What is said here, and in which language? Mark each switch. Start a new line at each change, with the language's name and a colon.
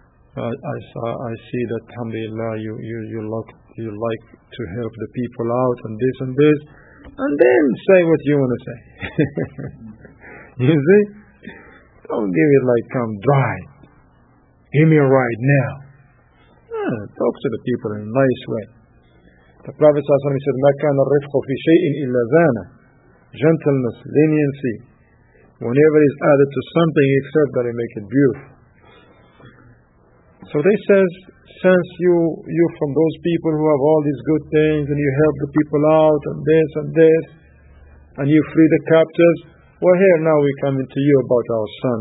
English: I see that, alhamdulillah, you like to help the people out and this and this. And then say what you want to say. You see? Don't give it like come dry. Give me a ride now. Talk to the people in a nice way. The Prophet said,
Arabic: مَا كَانَ الرِّفْقُ فِي شَيْءٍ إِلَّا ذَانَ.
English: Gentleness, leniency. Whenever it's added to something, except that it make it beautiful. So they says, since you're from those people who have all these good things, and you help the people out, and this, and you free the captives, well, here now we come to you about our son.